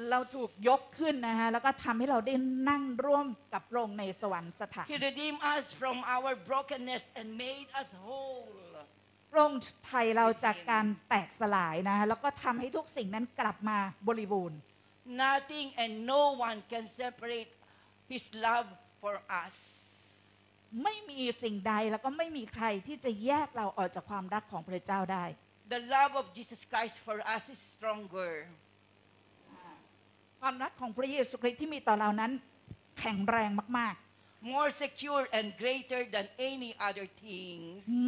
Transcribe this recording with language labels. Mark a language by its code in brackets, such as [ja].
[th] เราถูกยกขึ้นนะฮะแล้วก็ทำให้เราได้นั่งร่วมกับพระองค์ในสวรรคสถาน [en] He redeemed us from our brokenness and made us whole. [th] พระองค์ไถ่เราจากการแตกสลายนะฮะแล้วก็ทำให้ทุกสิ่งนั้นกลับมาบริบูรณ์ [en] Nothing and no one can separate his love for us [th] ไม่มีสิ่งใดแล้วก็ไม่มีใครที่จะแยกเราออกจากความรักของพระเจ้าได้ [en] The love of Jesus Christ for us is stronger [th] ความรักของพระเยซูคริสต์ที่มีต่อเรานั้นแข็งแรงมาก [en] ๆ More secure and greater than any other things